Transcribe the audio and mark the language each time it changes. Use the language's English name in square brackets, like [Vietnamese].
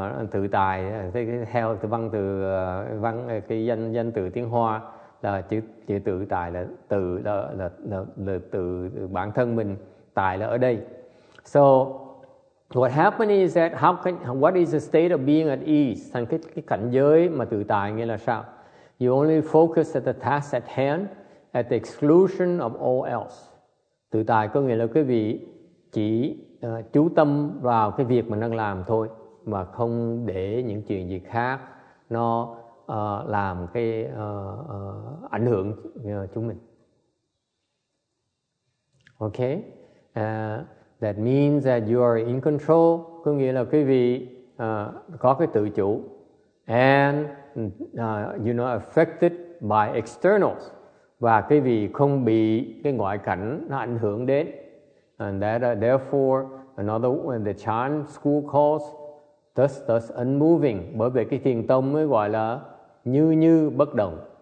[Vietnamese] Tự tài theo cái văn từ văn cái danh từ tiếng Hoa là chữ tự tài là tự là tự bản thân mình, tài là ở đây. [English] So what happened is that what is the state of being at ease? [Vietnamese] Thành cái cảnh giới mà tự tài nghĩa là sao? [English] You only focus at the task at hand at the exclusion of all else. [Vietnamese] Tự tài có nghĩa là quý vị chỉ chú tâm vào cái việc mình đang làm thôi, mà không để những chuyện gì khác nó làm cái ảnh hưởng chúng mình. [English] Okay, that means that you are in control. [Vietnamese] Có nghĩa là quý vị có cái tự chủ, [English] and you're not affected by externals, [Vietnamese] và quý vị không bị cái ngoại cảnh nó ảnh hưởng đến. [English] And that therefore another when the Chan school calls thus unmoving, [Vietnamese] bởi vì cái thiền tông mới gọi là như bất động.